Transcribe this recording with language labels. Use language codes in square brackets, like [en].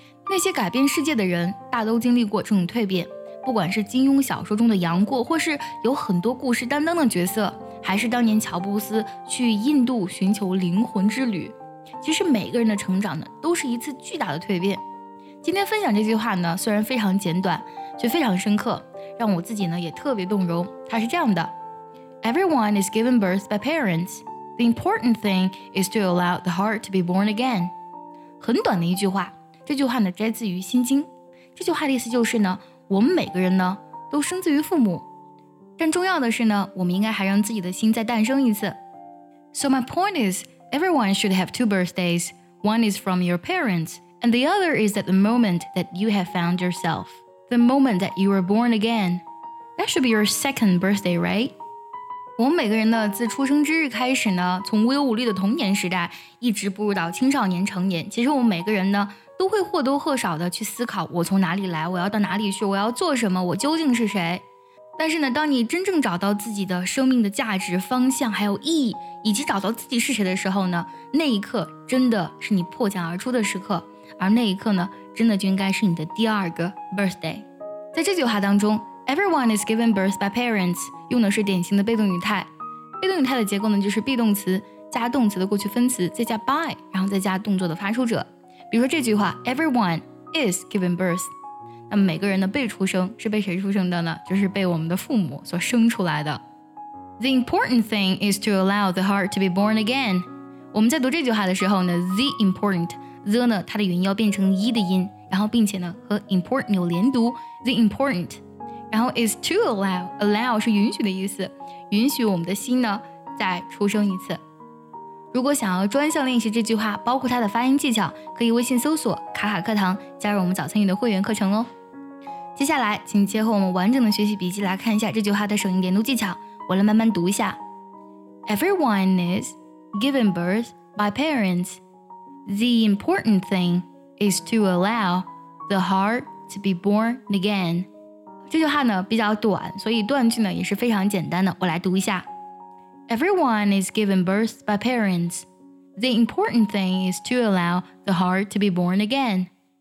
[zh] 那些改变世界的人大都经历过这种蜕变，不管是金庸小说中的杨过，或是有很多故事担当的角色，还是当年乔布斯去印度寻求灵魂之旅，其实每个人的成长呢，都是一次巨大的蜕变。今天分享这句话呢，虽然非常简短，却非常深刻，让我自己呢也特别动容。 [en] 它是这样的： Everyone is given birth by parents. The important thing is to allow the heart to be born again. [zh] 很短的一句话，这句话呢摘自于《心经》。这句话的意思就是呢，我们每个人呢都生自于父母，但重要的是呢，我们应该还让自己的心再诞生一次。 [en] So my point is, everyone should have two birthdays. One is from your parents, and the other is at the moment that you have found yourself. The moment that you were born again. That should be your second birthday, right? [zh] 我们每个人呢，自出生之日开始呢，从无忧无虑的童年时代一直步入到青少年成年，其实我们每个人呢都会或多或少的去思考，我从哪里来，我要到哪里去，我要做什么，我究竟是谁。但是呢，当你真正找到自己的生命的价值、方向还有意义，以及找到自己是谁的时候呢，那一刻真的是你破茧而出的时刻，而那一刻呢，真的就应该是你的第二个 birthday。在这句话当中， [en] Everyone is given birth by parents [zh] 用的是典型的被动语态。被动语态的结构呢，就是 be 动词加动词的过去分词，再加 by， 然后再加动作的发出者。比如说这句话， [en] Everyone is given birth， [zh] 那么每个人的被出生是被谁出生的呢？就是被我们的父母所生出来的。 [en] The important thing is to allow the heart to be born again。 [zh] 我们在读这句话的时候呢， The important， The 呢它的元音要变成一的音，然后并且呢和 important 有连读， The important。然后 is to allow， allow 是允许的意思，允许我们的心呢再出生一次。如果想要专项练习这句话，包括它的发音技巧，可以微信搜索卡卡课堂，加入我们早餐语的会员课程哦。接下来请结合我们完整的学习笔记来看一下这句话的省音连读技巧，我来慢慢读一下。 [en] Everyone is given birth by parents. The important thing is to allow the heart to be born again. [zh] 这句话呢比较短，所以断句呢也是非常简单的，我来读一下。 [en] Everyone is given birth by parents. The important thing is to allow the heart to be born again.